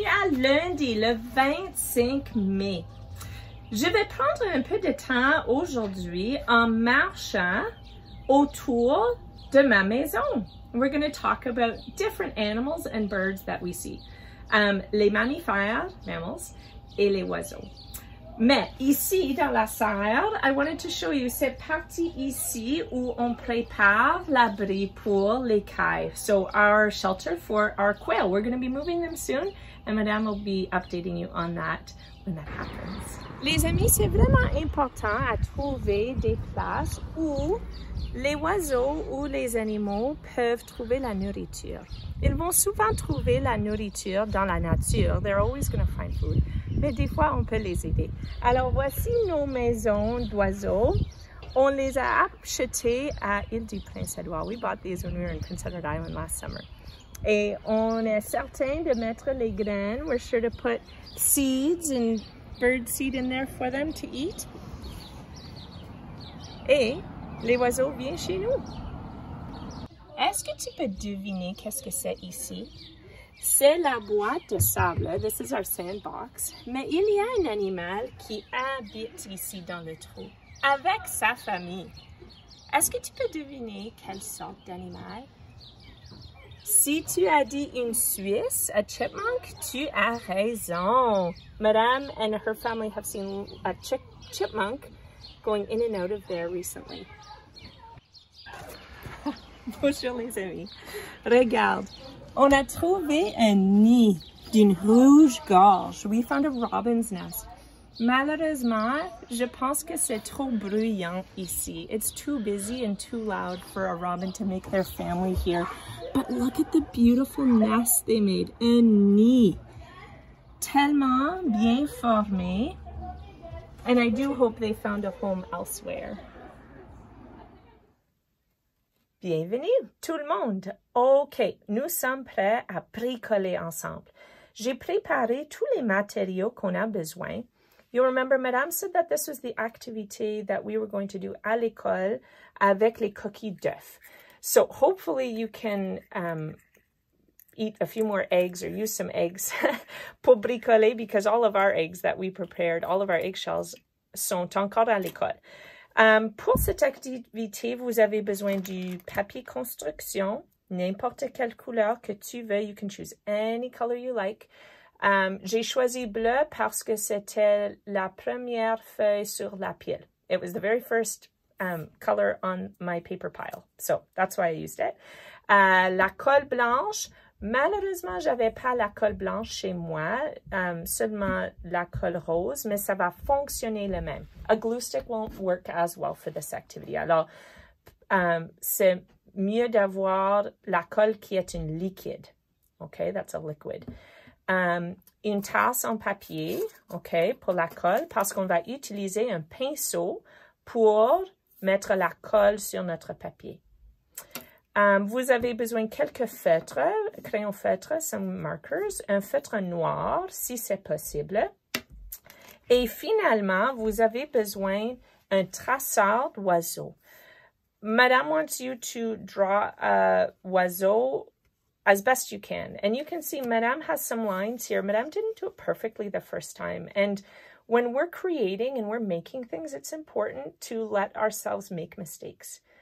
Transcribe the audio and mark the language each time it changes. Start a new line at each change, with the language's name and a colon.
French: Lundi, le 25 mai. Je vais prendre un peu de temps aujourd'hui en marchant autour de ma maison.
English: We're going to talk about different animals and birds that we see.
French: Les mammifères, mammals, et les oiseaux. Mais ici, dans la serre,
English: I wanted to show you
French: cette partie ici où on prépare l'abri pour les cailles.
English: So, our shelter for our quail. We're going to be moving them soon, and Madame will be updating you on that when that happens.
French: Les amis, c'est vraiment important à trouver des places où les oiseaux ou les animaux peuvent trouver la nourriture. Ils vont souvent trouver la nourriture dans la nature.
English: They're always going to find food.
French: Mais des fois, on peut les aider. Alors, voici nos maisons d'oiseaux. On les a achetées à Île-du-Prince-Édouard.
English: We bought these when we were in Prince Edward Island last summer.
French: Et on est certain de mettre les graines.
English: We're sure to put seeds and bird seed in there for them to eat.
French: Et les oiseaux viennent chez nous. Est-ce que tu peux deviner qu'est-ce que c'est ici? C'est la boîte de sable.
English: This is our sandbox.
French: Mais il y a un animal qui habite ici dans le trou avec sa famille. Est-ce que tu peux deviner quelle sorte d'animal? Si tu as dit une Suisse,
English: a chipmunk,
French: tu as raison.
English: Madame and her family have seen a chipmunk going in and out of there recently.
French: Bonjour les amis. Regarde. On a trouvé un nid d'une rouge gorge.
English: We found a robin's nest.
French: Malheureusement, je pense que c'est trop bruyant ici.
English: It's too busy and too loud for a robin to make their family here. But look at the beautiful nest they made.
French: Un nid. Tellement bien formé.
English: And I do hope they found a home elsewhere.
French: Bienvenue, tout le monde. OK, nous sommes prêts à bricoler ensemble. J'ai préparé tous les matériaux qu'on a besoin.
English: You'll remember, Madame said that this was the activity that we were going to do
French: à l'école avec les coquilles d'œufs.
English: So hopefully you can eat a few more eggs or use some eggs
French: pour bricoler
English: because all of our eggs that we prepared, all of our eggshells,
French: sont encore à l'école. Pour cette activité, vous avez besoin du papier construction, n'importe quelle couleur que tu veux.
English: You can choose any color you like.
French: J'ai choisi bleu parce que c'était la première feuille sur la pile.
English: It was the very first color on my paper pile. So, that's why I used it.
French: La colle blanche. Malheureusement, j'avais pas la colle blanche chez moi, seulement la colle rose, mais ça va fonctionner le même.
English: A glue stick won't work as well for this activity.
French: Alors, c'est mieux d'avoir la colle qui est une liquide. OK,
English: that's a liquid.
French: Une tasse en papier, OK, pour la colle, parce qu'on va utiliser un pinceau pour mettre la colle sur notre papier. Vous avez besoin de quelques feutres, crayons feutres,
English: some markers,
French: un feutre noir, si c'est possible. Et finalement, vous avez besoin un traçard d'oiseau.
English: Madame wants you to draw a oiseau as best you can. And you can see Madame has some lines here. Madame didn't do it perfectly the first time. And when we're creating and we're making things, it's important to let ourselves make mistakes.